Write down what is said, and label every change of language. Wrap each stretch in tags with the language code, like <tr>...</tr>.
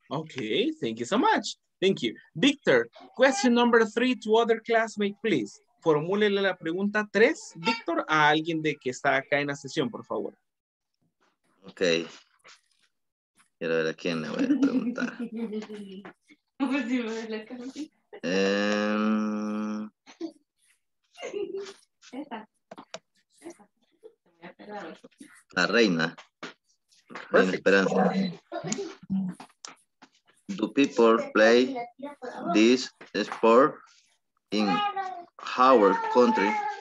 <en>Okay, thank you so much. Thank you. Victor, question number three to other classmate, please.</en> <es>formúlele la pregunta 3, Víctor, a alguien de que está acá en la sesión, por favor. Ok. Quiero ver a quién le voy a preguntar. La reina. Reina Esperanza.</es> <en>Do people play this sport in our country?</en>